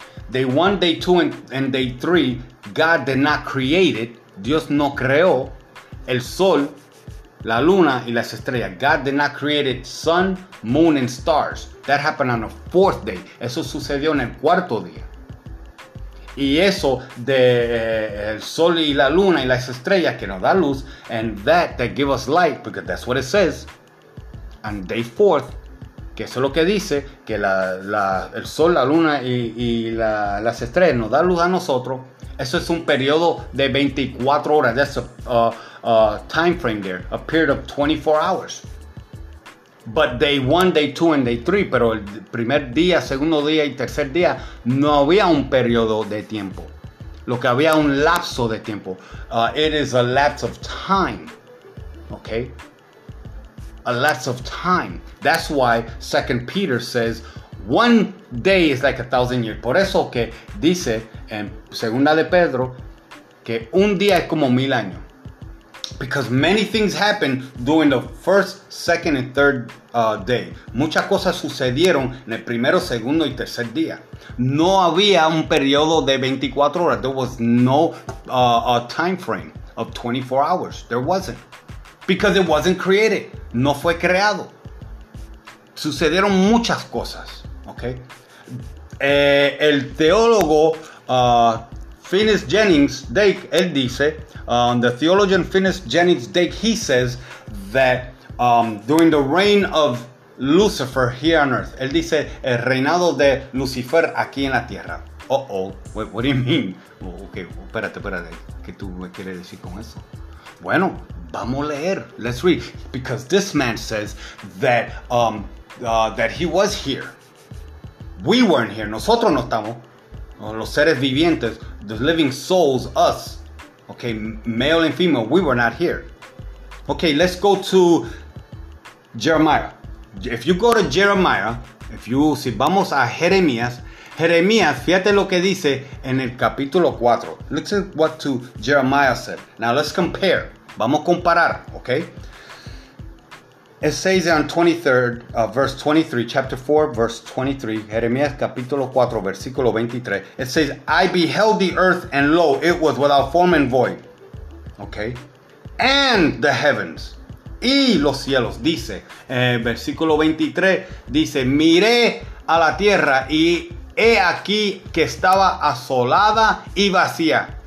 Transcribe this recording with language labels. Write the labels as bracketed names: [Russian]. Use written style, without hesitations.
[English] Day 1, day 2, and day 3, God did not create it. [Spanish] Dios no creó el sol, la luna, y las estrellas. [English] God did not create it, sun, moon, and stars. That happened on the fourth day. Eso sucedió en el cuarto día. [Spanish] Y eso de el sol y la luna y las estrellas que nos da luz, and that give us light, because that's what it says. On day fourth, que eso es lo que dice, que el sol, la luna y las estrellas nos da luz a nosotros. Eso es un periodo de 24 horas. [English] That's a time frame there, a period of 24 hours. [Spanish] But day one, day two, and day three, pero el primer día, segundo día y tercer día, no había un periodo de tiempo. Lo que había un lapso de tiempo. It is a lapse of time. Okay? [English] A lapse of time. That's why 2 Peter says, one day is like 1,000 years. [Spanish] Por eso que dice en segunda de Pedro, que un día es como 1,000 años. [English] Because many things happened during the first, second, and third day. [Spanish] Muchas cosas sucedieron en el primero, segundo, y tercer día. [English] No había un periodo de 24 horas. There was no time frame of 24 hours. There wasn't. Because it wasn't created. No fue creado. Sucedieron muchas cosas. Okay? El teólogo Finis Jennings Dake, él dice, the theologian Finis Jennings Dake, he says that during the reign of Lucifer here on earth, él dice, el reinado de Lucifer aquí en la tierra. Uh-oh, what do you mean? [Spanish] Okay, espérate, ¿qué tú me quieres decir con eso? [English] Bueno, vamos a leer, let's read, because this man says that that he was here. We weren't here, nosotros no estamos. Los seres vivientes, the living souls, us, okay, male and female, we were not here. Okay, let's go to Jeremiah. If you go to Jeremiah, si vamos a Jeremías, fíjate lo que dice en el capítulo 4. Listen what to Jeremiah said. Now let's compare. Vamos a comparar, okay? It says on 23rd, verse 23, chapter 4, verse 23, Jeremías capítulo 4, versículo 23. It says, I beheld the earth, and lo, it was without form and void. Okay. And the heavens. Y los cielos, dice. [Spanish] Versículo 23, dice, miré a la tierra, y he aquí que estaba asolada y vacía.